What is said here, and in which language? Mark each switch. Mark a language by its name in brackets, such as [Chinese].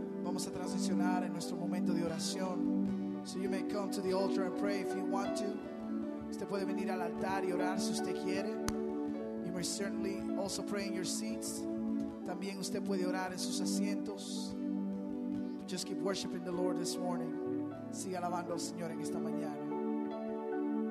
[Spanish] Vamos a transicionar en nuestro momento de oración. [English] So you may come to the altar and pray if you want to. [Spanish] Usted puede venir al altar y orar si usted quiere. [English] You may certainly also pray in your seats. [Spanish] También usted puede orar en sus asientos. [English] Just keep worshiping the Lord this morning. [Spanish] Siga alabando al Señor en esta mañana.